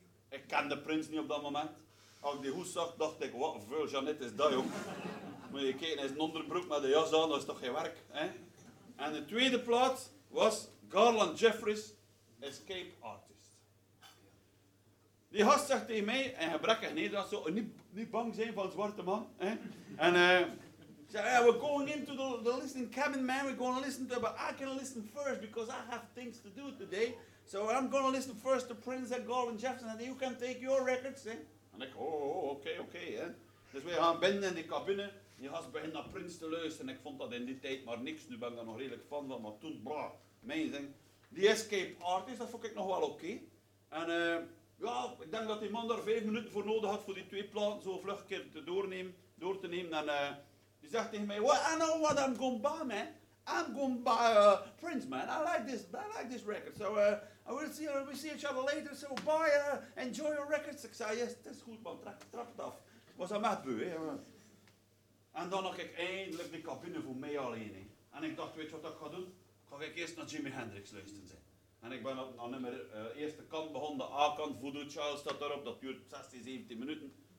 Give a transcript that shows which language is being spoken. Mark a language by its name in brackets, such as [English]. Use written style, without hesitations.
[Dutch] Ik kende Prince niet op dat moment. Als ik die hoes zag, dacht ik, wat veel Jeannette is dat, joh. Moet je kijken, hij is een onderbroek met een jas aan, dat is toch geen werk, hè? En de tweede plaat was Garland Jeffries, Escape Artist. Die gast zegt tegen mij, in gebrekkig Nederlands, zo, niet bang zijn van een zwarte man, hè? [English] En zei, yeah, we're going into the listening cabin, man, we're going to listen to, but I can listen first, because I have things to do today, so I'm going to listen first to Prince and Garland Jeffries, and you can take your records, hè? [Dutch] En ik, oké. Dus wij gaan binnen in die cabine. Die gast begint naar Prince te luisteren. Ik vond dat in die tijd maar niks. Nu ben ik daar nog redelijk fan van. Maar toen, blah, mijn ding. Die Escape Artist, dat vond ik nog wel oké. En ja, ik denk dat die man daar 5 minuten voor nodig had voor die twee platen zo vlug een keer door te nemen. En die zegt tegen mij, [English] well, I know what I'm going to buy, man. I'm going to buy Prince, man. I like this record. So, we'll see each other later. So, bye, enjoy your records. [Dutch] Ik zei, yes, dat is goed, man. Trap het af. Was dat met buur, hè? En dan had ik eindelijk de cabine voor mij alleen. Hè. En ik dacht, weet je wat ik ga doen? Ga ik eerst naar Jimi Hendrix luisteren. Hè. En ik ben op naar nummer eerste kant begonnen. De A-kant, Voodoo Child staat erop. Dat duurt 16, 17 minuten.